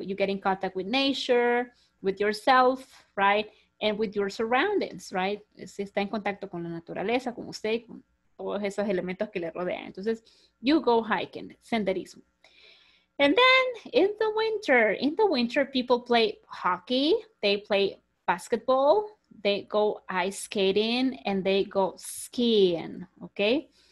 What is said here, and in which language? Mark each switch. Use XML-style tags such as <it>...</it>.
<en>You get in contact with nature, with yourself, right? And with your surroundings, right?</en> <es>Si está en contacto con la naturaleza, con usted, con todos esos elementos que le rodean.</es> <en>Entonces, you go hiking, senderismo. And then in the winter, people play hockey, they play basketball, they go ice skating, and they go skiing, okay?</en>